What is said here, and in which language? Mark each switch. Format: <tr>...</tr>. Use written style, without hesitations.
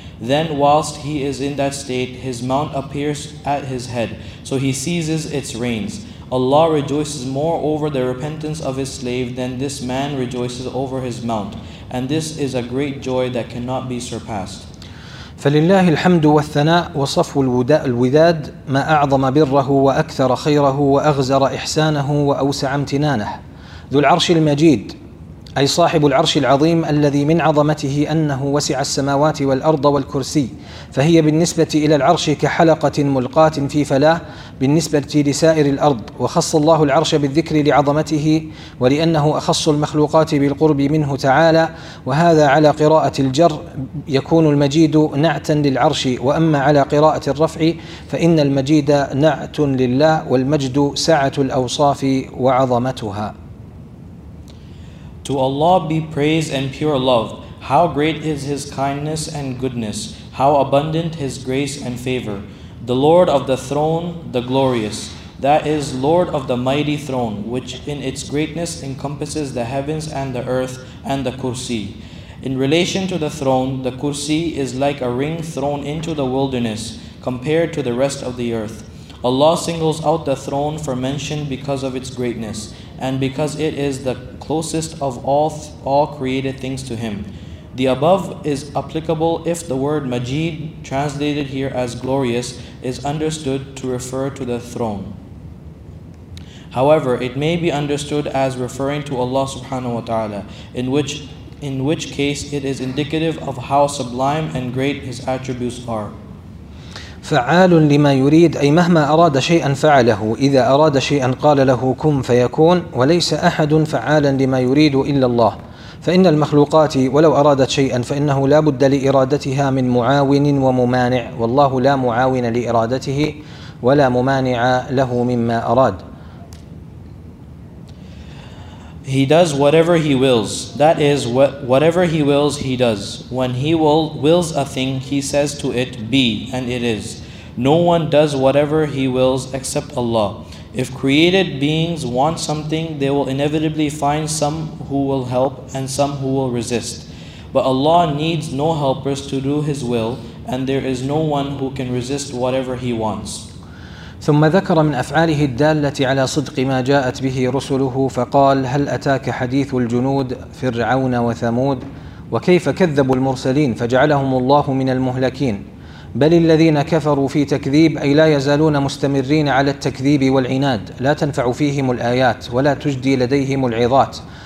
<en>Then whilst he is in that state, his mount appears at his head, so he seizes its reins. Allah rejoices more over the repentance of his slave than this man rejoices over his mount. And this is a great joy that cannot be surpassed.</en> <ar>فلله الحمد والثناء وصفو الوداد ما أعظم بره وأكثر خيره وأغزر إحسانه وأوسع امتنانه ذو العرش المجيد أي صاحب العرش العظيم الذي من عظمته أنه وسع السماوات والأرض والكرسي فهي بالنسبة إلى العرش كحلقة ملقاة في فلاة بالنسبة لسائر الأرض وخص الله العرش بالذكر لعظمته ولأنه أخص المخلوقات بالقرب منه تعالى وهذا على قراءة الجر يكون المجيد نعتا للعرش وأما على قراءة الرفع فإن المجيد نعت لله والمجد سعة الأوصاف وعظمتها.</ar> <en>To Allah be praise and pure love. How great is His kindness and goodness. How abundant His grace and favor. The Lord of the throne, the glorious. That is, Lord of the mighty throne, which in its greatness encompasses the heavens and the earth and the kursi. In relation to the throne, the kursi is like a ring thrown into the wilderness compared to the rest of the earth. Allah singles out the throne for mention because of its greatness. and because it is the closest of all created things to him. The above is applicable if the word Majid, translated here as glorious, is understood to refer to the throne. However, it may be understood as referring to Allah subhanahu wa ta'ala, in which case it is indicative of how sublime and great his attributes are.</en> <ar>فعال لما يريد أي مهما أراد شيئا فعله إذا أراد شيئا قال له كن فيكون وليس أحد فعالا لما يريد إلا الله فإن المخلوقات ولو أرادت شيئا فإنه لا بد لإرادتها من معاون وممانع والله لا معاون لإرادته ولا ممانع له مما أراد.</ar> <en>He does whatever he wills. That is, whatever he wills, he does. When he wills a thing, he says to it, be, and it is. No one does whatever he wills except Allah. If created beings want something, they will inevitably find some who will help and some who will resist. But Allah needs no helpers to do his will, and there is no one who can resist whatever he wants.</en> <ar>ثم ذكر من أفعاله الدالة على صدق ما جاءت به رسله فقال هل أتاك حديث الجنود فرعون وثمود وكيف كذبوا المرسلين فجعلهم الله من المهلكين بل الذين كفروا في تكذيب أي لا يزالون مستمرين على التكذيب والعناد لا تنفع فيهم الآيات ولا تجدي لديهم العظات</ar>